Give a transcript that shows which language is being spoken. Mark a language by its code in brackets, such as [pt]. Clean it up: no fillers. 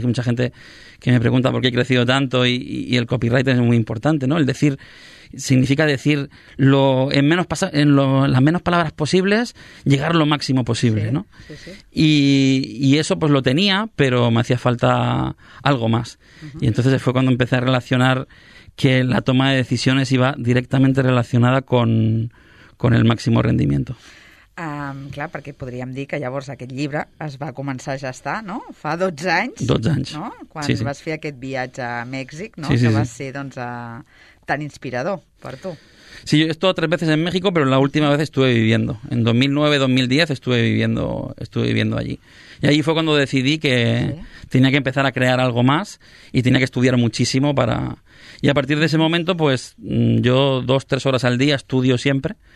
[es] Hay mucha gente que me pregunta por qué he crecido tanto y el copywriter es muy importante, ¿no? El decir significa decir lo en las menos palabras posibles, llegar lo máximo posible, sí, ¿no? Sí, sí. Y eso pues lo tenía, pero me hacía falta algo más. Y entonces fue cuando empecé a relacionar que la toma de decisiones iba directamente relacionada con el máximo rendimiento. [ca] Clar, perquè podríem dir que llavors aquest llibre es va començar a gestar, no? Fa 12 anys. 12 anys. No? Quan sí, sí. Vas fer aquest viatge a Mèxic, no? Sí, sí, que va sí. ser doncs, tan inspirador per tu. [es] Sí, yo he estado 3 veces en México, pero la última vez estuve viviendo. En 2009-2010 estuve viviendo allí. Y allí fue cuando decidí que sí. tenía que empezar a crear algo más y tenía que estudiar muchísimo para... Y a partir de ese momento, pues yo 2-3 horas al día estudio siempre.